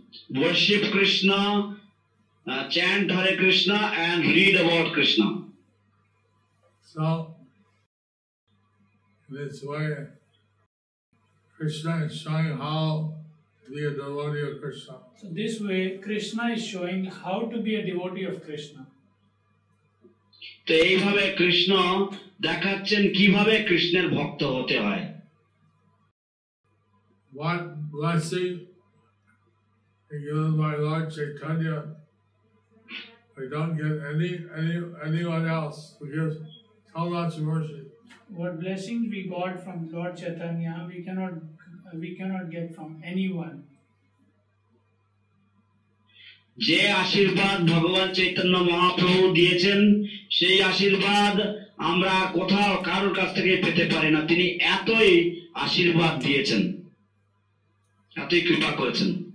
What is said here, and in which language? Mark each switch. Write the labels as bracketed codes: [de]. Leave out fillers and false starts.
[en] Worship Krishna, chant Hare Krishna and read about Krishna. So, this way, Krishna is showing how to be a devotee of Krishna. So this way, Krishna is showing how to be a devotee of Krishna. [bn] So এইভাবে কৃষ্ণ দেখাচ্ছেন কিভাবে কৃষ্ণের ভক্ত হতে হয়। [en] What blessing is given by Lord Chaitanya? I don't get anyone else who gives so much mercy. What blessings we got from Lord Chaitanya, we cannot get from anyone. [bn] যে আশীর্বাদ ভগবান চৈতন্য মহাপ্রভু দিয়েছেন সেই আশীর্বাদ আমরা কোথাও কারোর কাছ থেকে পেতে পারি না। তিনি এতই আশীর্বাদ দিয়েছেন, এতই কৃপা করেছেন।